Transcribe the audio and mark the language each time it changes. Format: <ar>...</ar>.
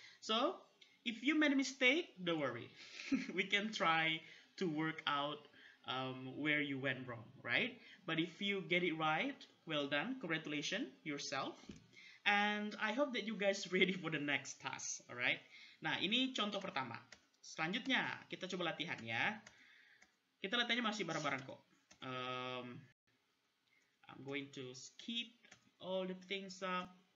<en>So, if you made a mistake, don't worry. We can try to work out where you went wrong, right? But if you get it right, well done. Congratulations yourself. And I hope that you guys ready for the next task, alright?</en> <id>Nah, ini contoh pertama. Selanjutnya, kita coba latihan ya. Kita latihannya masih bareng-bareng kok.</id> <en>I'm going to skip all the things up.</en>